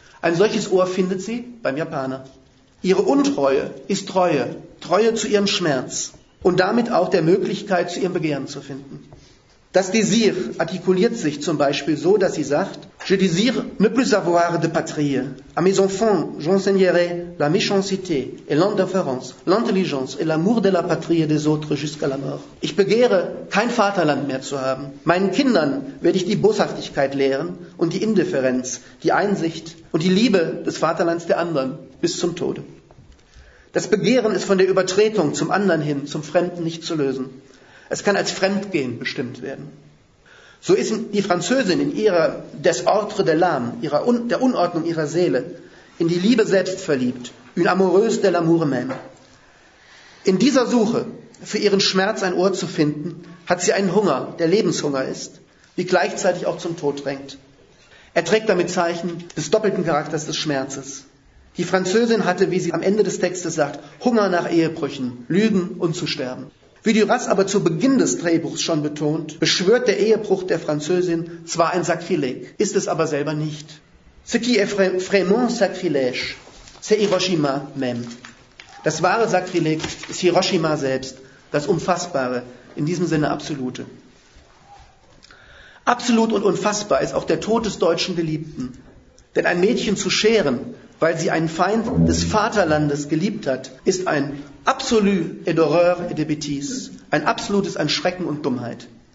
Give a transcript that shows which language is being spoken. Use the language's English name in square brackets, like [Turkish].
[German] Ein solches Ohr findet sie beim Japaner. Ihre Untreue ist Treue, Treue zu ihrem Schmerz und damit auch der Möglichkeit, zu ihrem Begehren zu finden. Das Désir artikuliert sich zum Beispiel so, dass sie sagt, [French] Je désire ne plus avoir de patrie. À mes enfants, j'enseignerai la méchanceté et l'indifférence, l'intelligence et l'amour de la patrie des autres jusqu'à la mort. [German] Ich begehre, kein Vaterland mehr zu haben. Meinen Kindern werde ich die Boshaftigkeit lehren und die Indifferenz, die Einsicht und die Liebe des Vaterlands der anderen bis zum Tode. Das Begehren ist von der Übertretung zum anderen hin, zum Fremden nicht zu lösen. Es kann als Fremdgehen bestimmt werden. So ist die Französin in ihrer [French] Desordre de l'âme, [German] der Unordnung ihrer Seele, in die Liebe selbst verliebt, [French] une amoureuse de l'amour même. [German] In dieser Suche, für ihren Schmerz ein Ohr zu finden, hat sie einen Hunger, der Lebenshunger ist, wie gleichzeitig auch zum Tod drängt. Er trägt damit Zeichen des doppelten Charakters des Schmerzes. Die Französin hatte, wie sie am Ende des Textes sagt, Hunger nach Ehebrüchen, Lügen und zu sterben. Wie Duras aber zu Beginn des Drehbuchs schon betont, beschwört der Ehebruch der Französin zwar ein Sakrileg, ist es aber selber nicht. [French] Ce qui est vraiment sacrilège, c'est Hiroshima même. [German] Das wahre Sakrileg ist Hiroshima selbst, das Unfassbare, in diesem Sinne Absolute. Absolut und unfassbar ist auch der Tod des deutschen Geliebten. Denn ein Mädchen zu scheren, weil sie einen Feind des Vaterlandes geliebt hat, ist ein [French] absolu et d'horreur et de bêtise, [German] ein absolutes an Schrecken und Dummheit.